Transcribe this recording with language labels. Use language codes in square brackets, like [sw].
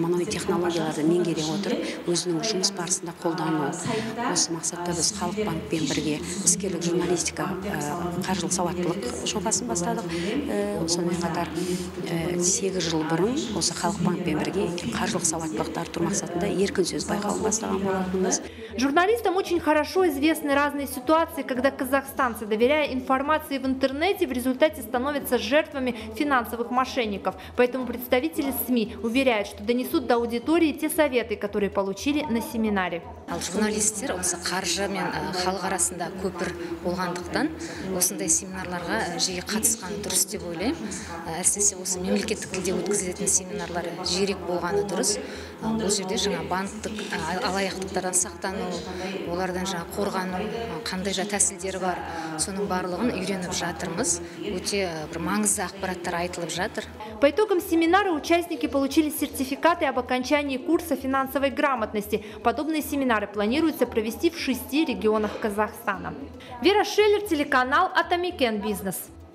[kk] Технологияларды меңгере отырып, өзінің жұмыс барысында қолдану. Осы мақсатта біз Халықбанкпен бірге іскерлік журналистика қаржылық сауаттылық жобасын бастадық. Сонымен қатар 8 жыл бұрын осы Халықбанкпен бірге қаржылық сауаттылықты арттыру мақсатында еркін сөз байқауын бастаған болатынбыз. [ru] Журналистам очень хорошо известны разные ситуации, когда казахстанцы, доверяя информации в интернете, в результате становятся жертвами финансовых мошенников. Поэтому представители СМИ уверяют, что донесут до аудитории те советы, которые получили на семинаре. [kk] Журналистер осы қаржы мен халық арасында көпір болғандықтан осындай семинарларға жиі қатысқан дұрыс деп ойлаймын. Әсіресе осы мемлекеттік тілде өткізілетін семинарлар жиірек болғаны дұрыс. Бұл жерде жаңа банктік алаяқтықтардан сақтану, олардан жаңа қорғану, қандай жа тәсілдері бар, соның барлығын үйреніп жатырмыз. Өте бір маңызды ақпараттар айтылып жатыр. [ru] По итогам семинара участники получили сертификаты об окончании курса финансовой грамотности. Подобные семинары планируется провести в 6 регионах Казахстана. Вера Шеллер, телеканал «Атамикен Бизнес».